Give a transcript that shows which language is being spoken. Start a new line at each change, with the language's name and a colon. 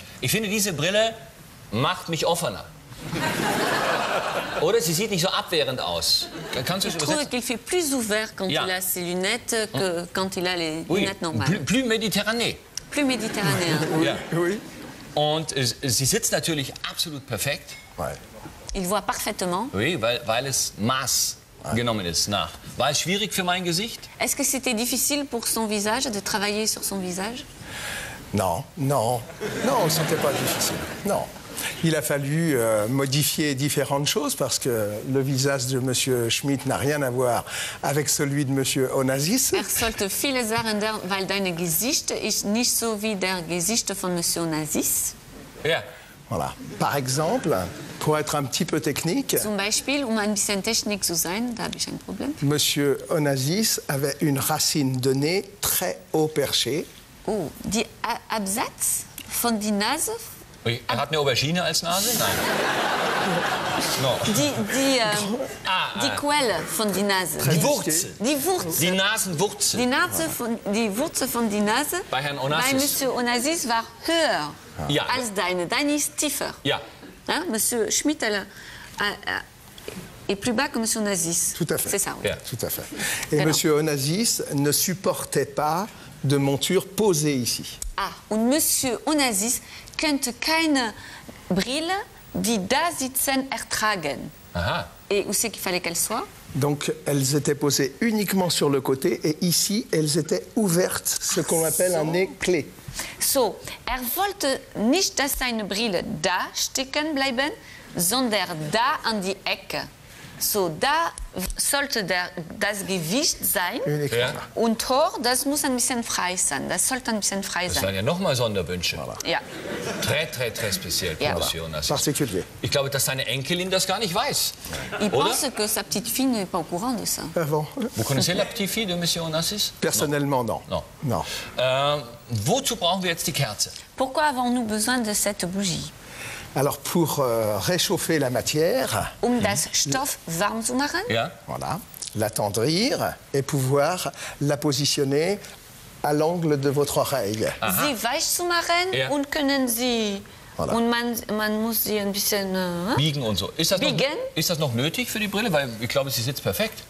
German: Ich finde, diese Brille macht mich offener. Oder sie sieht nicht so abwehrend aus. Kannst du es übersetzen?
French: Qu'il fait plus ouvert quand il a ses lunettes que quand il a les lunettes normales. Plus méditerranéen. Plus méditerranéen. Oui.
German: Und sie sitzt natürlich absolut perfekt.
French: Il voit parfaitement. Oui,
German: weil es Maß genommen ist nach. War es schwierig für mein Gesicht?
French: Est-ce que c'était difficile pour son visage de travailler sur son visage? Non, non, non, c'était pas difficile, non. Il a fallu modifier différentes choses parce que le visage de M. Schmidt n'a rien à voir avec celui de M. Onassis.
German: Er sollte vieles ändern, weil dein Gesicht ist nicht so wie der Gesicht von M. Onassis. Ja.
French: Voilà. Par exemple, pour être un petit peu technique...
German: Zum Beispiel, um ein bisschen technisch zu sein, da habe ich ein Problem.
French: M. Onassis avait une racine de nez très haut perchée.
German: Oh, die Absatz von die Nase?
French: Oui,
German: er hat eine Aubergine als Nase? Nein. No. Die Quelle von die Nase. Die Nasenwurzel. Die Wurzel von die Nase. Bei Herrn Onassis. Bei Monsieur Onassis war höher als deine. Deine ist tiefer. Ja. Ja?
French: Monsieur Schmidt est plus bas que Monsieur Onassis. Tout à fait. C'est ça, oui. Yeah. Tout à fait. Et Monsieur Onassis ne supportait pas de monture posée ici.
German: Ah, und Monsieur Onassis könnte keine Brille, die da sitzen, ertragen. Aha.
French: Et où c'est qu'il fallait qu'elle soit? Donc, elles étaient posées uniquement sur le côté et ici, elles étaient ouvertes, ce qu'on appelle un nez clé.
German: So, wollte nicht, dass seine Brille da stecken bleiben, sondern da an die Ecke. So, da sollte das Gewicht sein. Ja. Und Tor, das muss ein bisschen frei sein. Das sollte ein bisschen frei sein. Das waren ja nochmal Sonderwünsche.
French: Voilà.
German: Ja.
French: Très, très, très
German: speziell, ja.
French: Monsieur Onassis. Voilà.
German: Ich glaube, dass seine Enkelin das gar nicht weiß.
French: Ich pense que sa petite fille n'est pas au courant de ça. Bon. Vous connaissez la petite fille de Monsieur Onassis? Personnellement, non. Non. Non.
German: Wozu brauchen wir jetzt die Kerze?
French: Pourquoi avons-nous besoin de cette bougie? Alors pour réchauffer la matière,
German: das Stoff warm zu machen, ja.
French: Voilà, l'attendrir et pouvoir la positionner à l'angle de votre oreille.
German: Aha. Sie weich zu machen, ja. Und können Sie, voilà. Und man muss sie ein bisschen biegen und so. Ist das biegen? Noch, ist das noch nötig für die Brille? Weil ich glaube, sie sitzt perfekt.